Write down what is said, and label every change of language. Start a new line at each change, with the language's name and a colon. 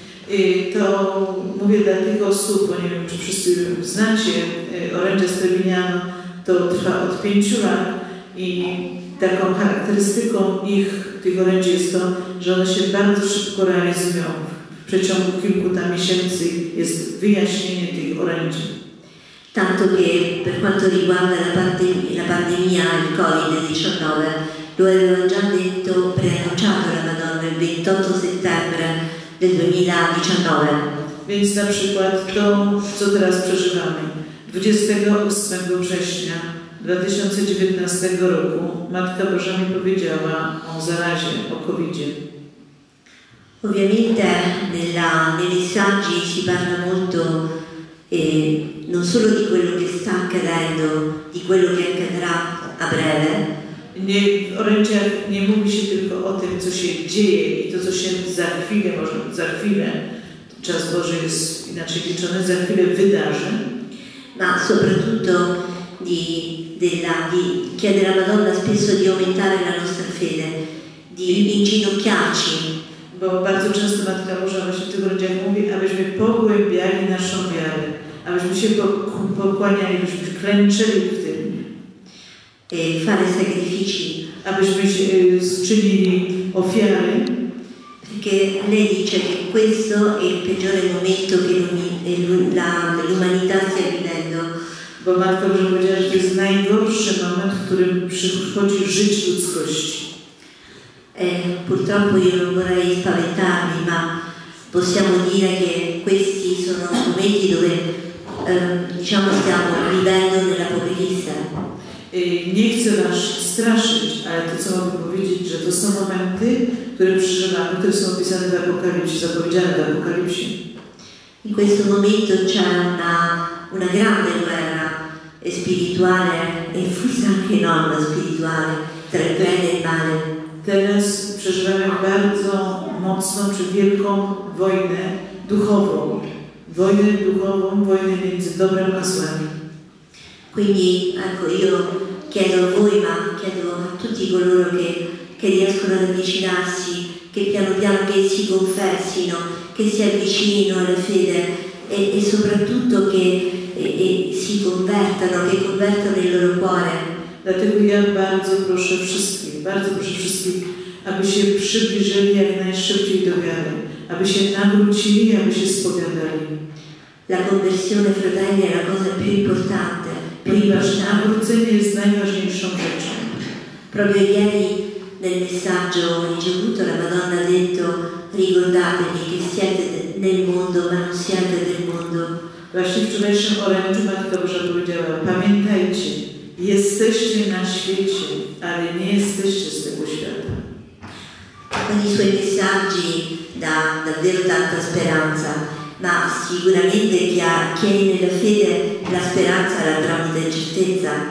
Polish: I to mówię dla tych osób, bo nie wiem, czy wszyscy znacie orędzie z Trevignano, to trwa od 5 lat i taką charakterystyką ich, tych orędzi jest to, że one się bardzo szybko realizują. W przeciągu kilku tam miesięcy jest wyjaśnienie tych orędzi.
Italian: Tanto che per quanto riguarda la pandemia, il COVID-19, lo avevo già detto, preannunciato la Madonna, il 28 settembre del 2019.
Polish: Więc na przykład to, co teraz przeżywamy. 28 września 2019 roku Matka Boża mi powiedziała o zarazie, o COVID-zie.
Italian: Ovviamente nei messaggi si parla molto non solo di quello che sta accadendo, di quello che accadrà a breve.
Polish: Nie, orędzia nie mówi się tylko o tym, co się dzieje i to, co się za chwilę, może za chwilę, czas Boży jest inaczej liczony, za chwilę wydarzy.
Italian: Ma soprattutto di chiedere alla Madonna spesso di aumentare la nostra fede, di inginocchiarci.
Polish: Bo bardzo często Matka Boża właśnie w tym orędziu mówi, abyśmy pogłębiali naszą wiarę, abyśmy się pokłaniali, abyśmy klęczyli w tym.
Italian: E fare sacrifici.
Polish: Abyśmy się czynili ofiary.
Italian: Perché lei dice che questo è il peggiore momento che l'umanità sta vivendo.
Polish: Bo Matka Boża powiedziała, że to jest najgorszy moment, w którym przychodzi żyć ludzkości.
Italian: Purtroppo io non vorrei spaventarmi, ma possiamo dire che questi sono momenti dove diciamo stiamo vivendo nella pobrezza.
Polish: Nie chcę nas straszyć, ale to co mogę powiedzieć, że to są momenty, które przeżywamy, które są opisane w Apokalipsie, zapowiedziane w Apokalipsie.
Italian: In questo momento c'è una grande guerra spirituale e forse anche non spirituale tra il bene e il male.
Polish: Teraz przeżywamy bardzo mocną czy wielką wojnę duchową. Wojnę duchową, wojnę między dobrem a złem.
Italian: Quindi, ecco, io chiedo a voi, ma chiedo a tutti coloro che riescono ad avvicinarsi, che piano piano che si confessino, che si avvicinino alla fede e soprattutto che si convertano, che convertano il loro cuore.
Polish: Dlatego ja bardzo proszę wszystkich, aby się przybliżyli jak najszybciej do wiary, aby się nawrócili, aby się spowiadali.
Italian: La conversione, fratelli, è la cosa più importante.
Polish: Ponieważ nawrócenie jest najważniejszą rzeczą.
Italian: Proprio ieri nel messaggio ricevuto la Madonna ha detto ricordatevi che siete nel mondo, ma non siete del mondo.
Polish: Właśnie w wczorajszym orędziu Matka Boża powiedziała, pamiętajcie, jesteście na świecie, ale nie jesteście z tego świata.
Italian: Con i suoi messaggi da davvero tanta speranza. Ma sicuramente chi è nella fede la speranza la trova di certezza.